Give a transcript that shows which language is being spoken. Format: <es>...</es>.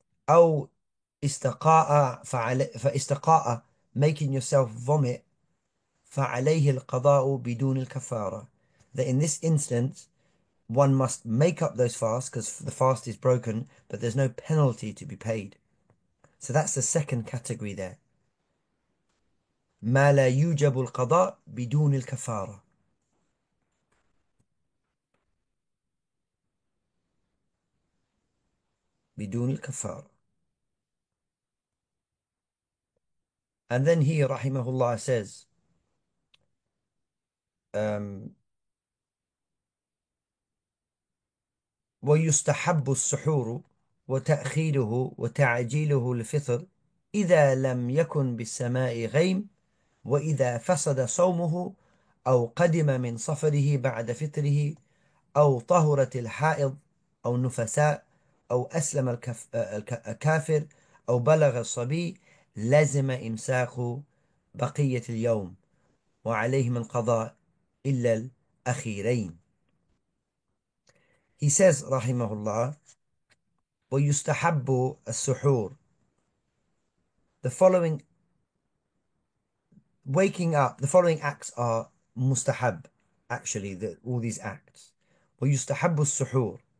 <ar>أو استقاء,</ar> <en>making yourself vomit,</en> <ar>فعليه القضاء بدون الكفارة,</ar> <en>that in this instance one must make up those fasts because the fast is broken, but there's no penalty to be paid. So that's the second category there.</en> <ar>ما لا يوجب القضاء بدون الكفارة. بدون الكفارة.</ar> <en>And then he, rahimahullah, says,</en> <ar>ويستحب السحور وتأخيره وتعجيله الفطر إذا لم يكن بالسماء غيم، وإذا فسد صومه أو قدم من سفره بعد فطره، أو طهرت الحائض أو النفساء، أو أسلم الكافر، أو بلغ الصبي، لزم إمساك بقية اليوم وعليهم القضاء إلا الأخيرين.</ar> <en>He says, rahimahullah,</en> <ar>وَيُسْتَحَبُّ السُّحُورِ.</ar> <en>The following waking up, the following acts are mustahab, actually, all these acts.</en> <ar>وَيُسْتَحَبُّ السُّحُورِ.</ar>